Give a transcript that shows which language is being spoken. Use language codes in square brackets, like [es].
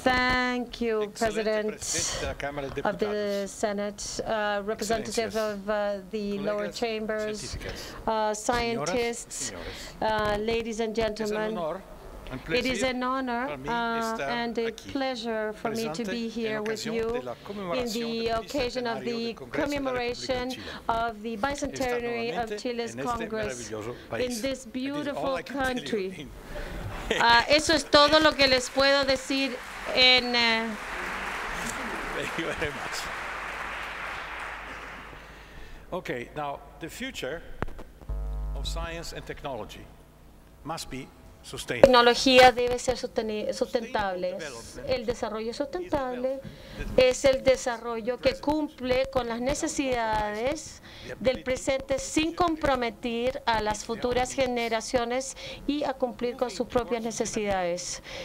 [en] Thank you, President of the Senate, representative of the lower chambers, scientists, ladies and gentlemen. It is an honor and a pleasure for me to be here with you in the occasion of the commemoration of the Bicentenary of Chile's Congress in this beautiful country. [es] Eso es todo lo que les puedo decir en... [en] Thank you very much. Okay, now, the future of science and technology must be [es] la tecnología debe ser sustentable. El desarrollo sustentable es el desarrollo que cumple con las necesidades del presente sin comprometer a las futuras generaciones y a cumplir con sus propias necesidades.